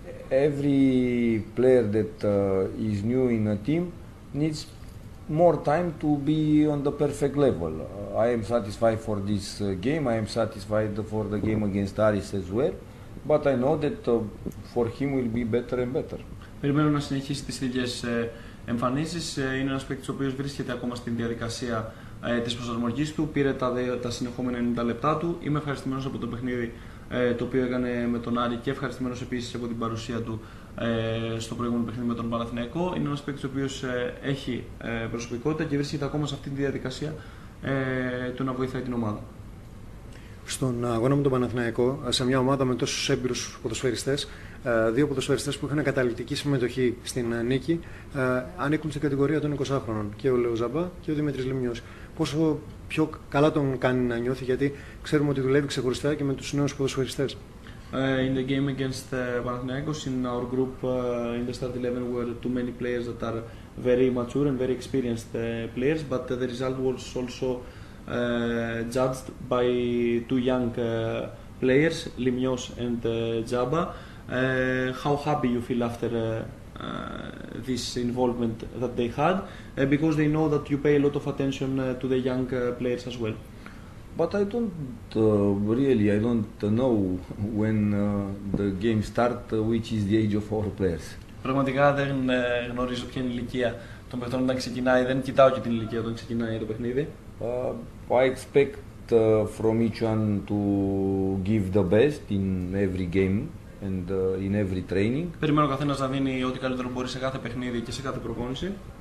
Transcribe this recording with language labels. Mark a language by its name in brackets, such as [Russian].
[English] Every player that is new in a team needs more time to be on the perfect level. I am satisfied for this game. I am satisfied for the game against Aris as well. But I know that for him will be better and better. [Greek] Περιμένω να συνεχίσει τις ίδιες εμφανίσεις. Είναι ένας παίκτης ο οποίος βρίσκεται ακόμα στην διαδικασία της προσαρμογής του. Πήρε τα συνεχόμενα 90 λεπτά του. Είμαι ευχαριστημένος από το παιχνίδι το οποίο έκανε με τον Άρη και ευχαριστημένος επίσης από την παρουσία του στο προηγούμενο παιχνίδι με τον Παναθηναϊκό. Είναι ένας παίκτης ο οποίος έχει προσωπικότητα και βρίσκεται ακόμα σε αυτή τη διαδικασία του να βοηθάει την ομάδα. Στον αγώνα με τον Παναθηναϊκό, σε μια ομάδα με τόσους έμπειρους ποδοσφαιριστές, δύο ποδοσφαιριστές που είχαν καταληκτική συμμετοχή στην νίκη ανήκουν στην κατηγορία των 20χρονων, και ο Λέο Ζαμπά και ο Δημήτρης Λιμιός. Πόσο πιο καλά τον κάνει να νιώθει, γιατί ξέρουμε ότι δουλεύει ξεχωριστά και με τους νέους ποδοσφαιριστές. [English] In the game against Panathinaikos, in our group, in the start 11, were too many players that are very mature and very experienced players, but the result was also judged by two young players, Λιμιός and Ζαμπά. How happy you feel after this involvement that they had, because they know that you pay a lot of attention to the young players as well. But I don't really, I don't know when the game start, which is the age of our players. [Greek] Πραγματικά δεν γνωρίζω ποια είναι η ηλικία των παιχνών όταν ξεκινάει, δεν κοιτάω και την ηλικία όταν ξεκινάει το παιχνίδι. [English] I expect from each one to give the best in every game and in every training. [Greek] Περιμένω καθένας να δίνει ό,τι καλύτερο μπορεί σε κάθε παιχνίδι και σε κάθε προπόνηση.